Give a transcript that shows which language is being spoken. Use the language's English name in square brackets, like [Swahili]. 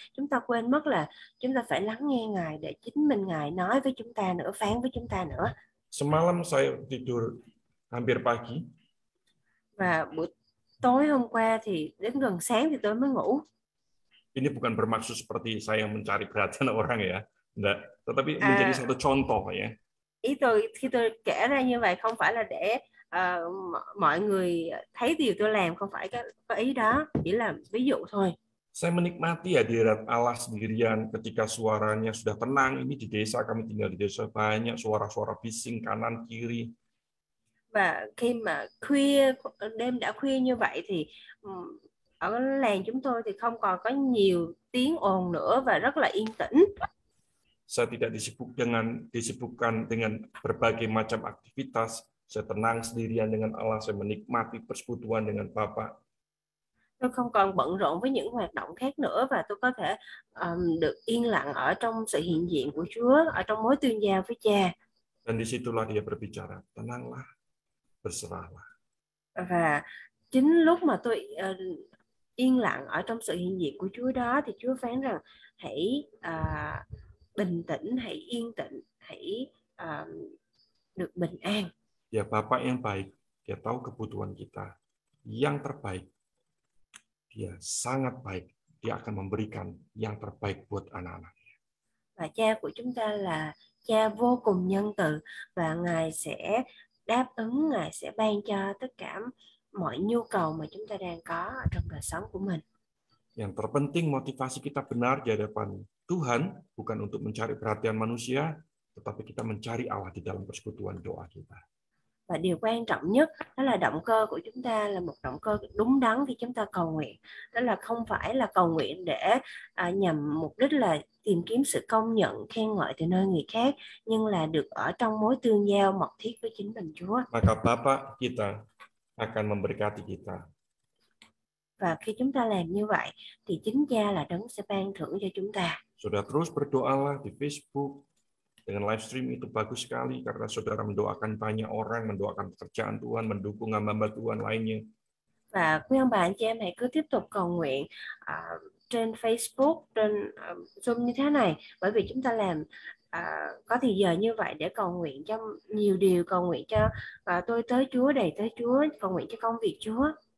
[Vietnamese] Chúng ta quên mất là chúng ta phải lắng nghe Ngài để chính mình Ngài nói với chúng ta nữa, phán với chúng ta nữa. [Indonesian] Semalam saya tidur hampir pagi. [Vietnamese] Và buổi tối hôm qua thì đến gần sáng thì tôi mới ngủ. [Indonesian] Ini bukan bermaksud seperti saya mencari perhatian orang ya. Nggak. Tetapi menjadi satu contoh ya. [Vietnamese] Ý tôi khi tôi kể ra như vậy không phải là để mọi người thấy điều tôi làm không phải cái ý đó, chỉ là ví dụ thôi. [Indonesian] Saya menikmati hadirat Allah sendirian ketika suaranya sudah tenang. Ini di desa, kami tinggal di desa, banyak suara-suara bising kanan kiri. [Vietnamese] Và khi mà khuya, đêm đã khuya như vậy thì ở làng chúng tôi thì không còn có nhiều tiếng ồn nữa và rất là yên tĩnh. [Indonesian] Saya tidak disibukkan dengan berbagai macam aktivitas. Saya tenang sendirian dengan Allah, saya menikmati persekutuan dengan Bapa. [Vietnamese] Tôi không còn bận rộn với những hoạt động khác nữa và tôi có thể được yên lặng ở trong sự hiện diện của Chúa, ở trong mối tương giao với Cha. [Indonesian] Dan disitulah dia berbicara, tenanglah, berserahlah. [Vietnamese] Và chính lúc mà tôi yên lặng ở trong sự hiện diện của Chúa đó thì Chúa phán rằng hãy bình tĩnh, hãy yên tĩnh, hãy được bình an. [Indonesian] Ya Bapa yang baik, dia tahu kebutuhan kita yang terbaik. Dia sangat baik. Dia akan memberikan yang terbaik buat anak-anaknya. [Vietnamese] Và Cha của chúng ta là Cha vô cùng nhân từ và Ngài sẽ đáp ứng, Ngài sẽ ban cho tất cả mọi nhu cầu mà chúng ta đang có trong đời sống của mình. [Indonesian] Yang terpenting motivasi kita benar di hadapan Tuhan bukan untuk mencari perhatian manusia, tetapi kita mencari Allah di dalam persekutuan doa kita. [Vietnamese] Và điều quan trọng nhất đó là động cơ của chúng ta là một động cơ đúng đắn khi chúng ta cầu nguyện. Đó là không phải là cầu nguyện để nhằm mục đích là tìm kiếm sự công nhận, khen ngợi từ nơi người khác, nhưng là được ở trong mối tương giao mật thiết với chính mình Chúa. [Indonesian] Maka Bapa kita akan memberkati kita. [Vietnamese] Và khi chúng ta làm như vậy thì chính Cha là đấng sẽ ban thưởng cho chúng ta. [Indonesian] Sudah terus berdoalah di Facebook. Dengan live stream itu bagus sekali karena saudara mendoakan banyak orang, mendoakan pekerjaan Tuhan, mendukung hamba-hamba Tuhan lainnya. [Vietnamese] Và quý ông bà anh chị em hãy cứ tiếp tục cầu nguyện trên Facebook, trên Zoom như thế này, bởi vì chúng ta làm có thời giờ như vậy để cầu nguyện cho nhiều điều, cầu nguyện cho tôi tới Chúa, đầy tới Chúa, cầu nguyện cho công việc Chúa.